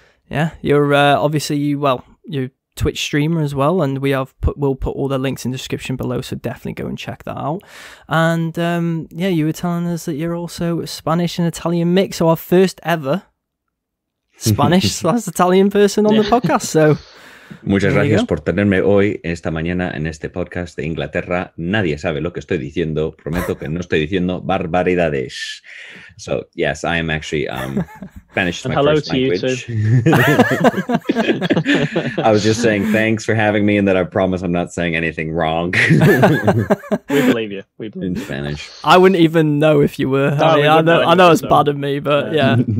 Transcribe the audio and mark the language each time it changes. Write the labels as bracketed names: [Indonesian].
[English] Yeah, you're obviously you're a Twitch streamer as well, and we'll put all the links in the description below, so definitely go and check that out. And yeah, you were telling us that you're also Spanish and Italian mix, so our first ever Spanish slash Italian person on the podcast. So, [Spanish] muchas gracias por tenerme hoy esta mañana en este podcast de Inglaterra. Nadie sabe lo que estoy diciendo. Prometo que no estoy diciendo barbaridades. [English] So yes, I am actually Spanish. Hello to you too. I was just saying thanks for having me, and that I promise I'm not saying anything wrong. We believe you. In Spanish, I wouldn't even know if you were. No, I know it's bad of me, but yeah.